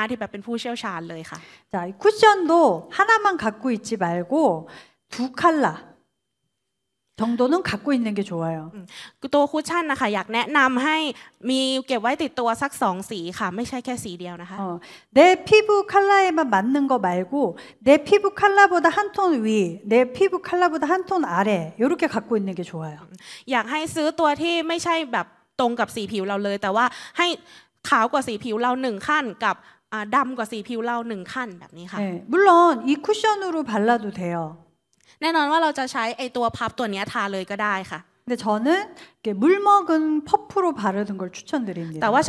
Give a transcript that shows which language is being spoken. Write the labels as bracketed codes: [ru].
[th] เป็นวิธีการที่ทำให้ผิวหน้าหรือใบหน้าของเราเนี่ยดูมีมิติดูเด็กลงนะคะเหมือนกับเราเนี่ยไปร้านแต่งหน้าที่แบบเป็นผู้เชี่ยวชาญเลยค่ะ [ko] 자, 이 쿠션도 하나만 갖고 있지 말고 두 칼라 정도는 갖고 있는 게 좋아요. [th] ตัวคุชชั่นนะคะอยากแนะนำให้มีเก็บไว้ติดตัวสักสองสีค่ะไม่ใช่แค่สีเดียวนะคะ [ko] 어, 내 피부 컬러에만 맞는 거 말고 내 피부 컬러보다 한톤 위, 내 피부 컬러보다 한톤 아래 이렇게 갖고 있는 게 좋아요. [th] อยากให้ซื้อตัวที่ไม่ใช่แบบตรงกับสีผิวเราเลยแต่ว่าให้ขาวกว่าสีผิวเราหนึ่งขั้นกับดำกว่าสีผิวเราหนึ่งขั้นแบบนี้ค่ะ [ko] 네, 물론 이 쿠션으로 발라도 돼요. [th] แน่นอนว่าเราจะใช้ไอ้ตัวพับตัวนี้ทาเลยก็ได้ค่ะ [ko] 근데 저는 이렇게 물 먹은 퍼프로 바르는 걸 추천드립니다.